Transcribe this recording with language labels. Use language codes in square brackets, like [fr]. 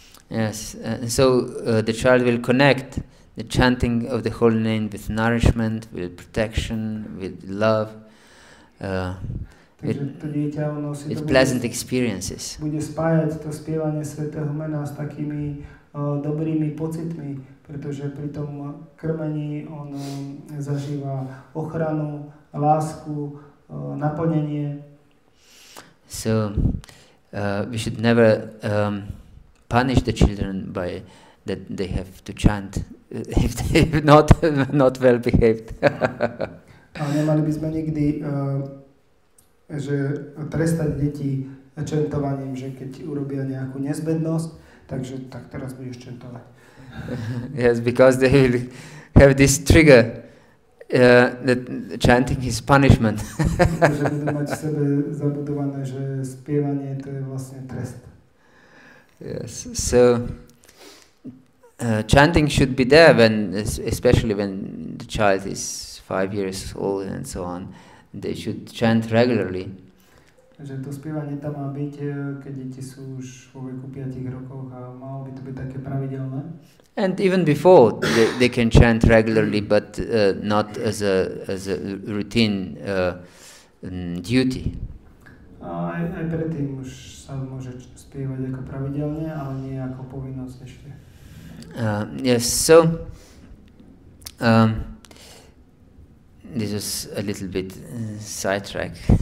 [en] Yes, so the child will connect the chanting of the holy name with nourishment, with protection, with love, with pleasant experiences. [sk] Bude spájať to spievanie svätého mena s takými dobrými pocitmi, pretože pri tom krmení on zažíva ochranu, lásku, naplnenie. [en] So we should never punish the children by that they have to chant if they are not well behaved. [sk] Ale nemali by sme nikdy že trestať deti čentovaním, že keď urobia nejakú nezbednosť, takže tak teraz budeš čentovať. [en] Yes, because they will have this trigger that chanting is punishment. [sk] Takže budú mať v sebe zabudované, že spievanie to je vlastne trest. [en] Yes, so chanting should be there when, especially when the child is 5 years old and so on, they should chant regularly. [sk] Takže to spievanie tam má byť, keď deti sú už vo veku 5 rokov a malo by to byť také pravidelné. [en] And even before, they can chant regularly, but not as a routine duty. [sk] Aj predtým už sa môže spievať ako pravidelne, ale nie ako povinnosť ešte. [en] Yes, so this is a little bit sidetrack.